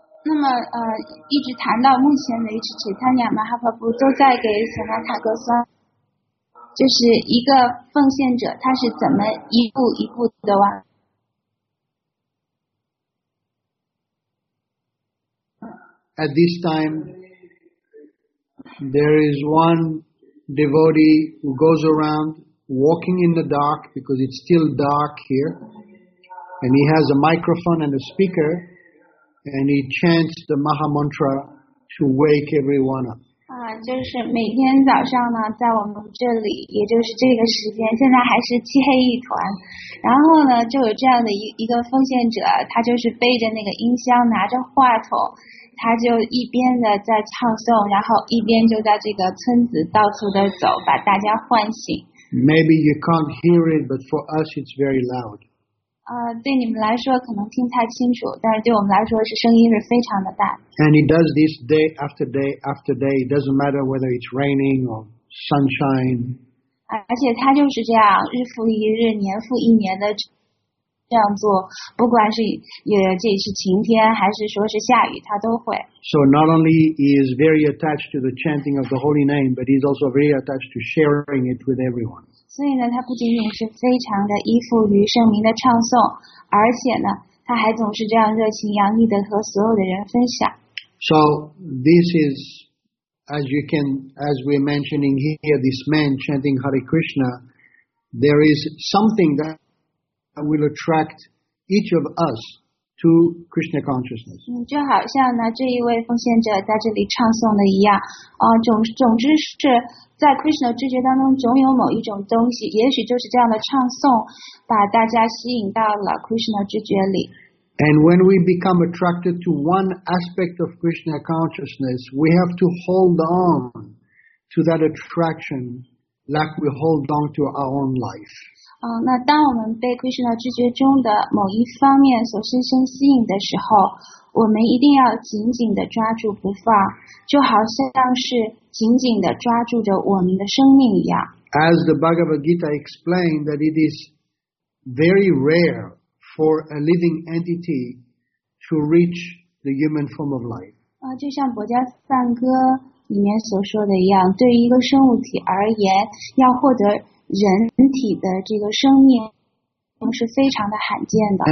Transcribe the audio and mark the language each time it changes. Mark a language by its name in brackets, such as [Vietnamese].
[Chinese] 那么一直谈到目前为止，其他两马哈佛布都在给索纳塔格桑，就是一个奉献者，他是怎么一步一步的往 [English] ？At this time, there is one devotee who goes around walking in the dark because it's still dark here, and he has a microphone and a speaker. And he chants the Maha Mantra to wake everyone up. [Chinese] 就是每天早上呢，在我们这里，也就是这个时间，现在还是漆黑一团。然后呢，就有这样的一个奉献者，他就是背着那个音箱，拿着话筒，他就一边的在唱诵，然后一边就在这个村子到处的走，把大家唤醒。 [English] Maybe you can't hear it, but for us, it's very loud. [Chinese] 对你们来说可能听太清楚，但是对我们来说是声音是非常的大。 [English] And he does this day after day after day. It doesn't matter whether it's raining or sunshine. [Chinese] 而且他就是这样，日复一日，年复一年的这样做，不管是这是晴天还是说是下雨，他都会。 [English] So not only is very attached to the chanting of the holy name, but he's also very attached to sharing it with everyone. [Chinese] 所以呢，他不仅仅是非常的依附于圣名的唱诵，而且呢，他还总是这样热情洋溢的和所有的人分享。 [English] So this is, as you can, as we're mentioning here, this man chanting Hare Krishna, there is something that will attract each of us to Krishna consciousness. [Chinese] 就好像呢，这一位奉献者在这里唱诵的一样，总之是。在 Krishna 知觉当中，总有某一种东西，也许就是这样的唱诵，把大家吸引到了 Krishna 知觉里。 [English] And when we become attracted to one aspect of Krishna consciousness, we have to hold on to that attraction like we hold on to our own life. [Chinese] 那当我们被 Krishna 知觉中的某一方面所深深吸引的时候，我们一定要紧紧地抓住不放，就好像是紧紧地抓住着我们的生命一样。 [English] As the Bhagavad Gita explained that it is very rare for a living entity to reach the human form of life. [Chinese] 就像博迦梵歌里面所说的一样，对于一个生物体而言，要获得人体的这个生命，是非常的罕见的。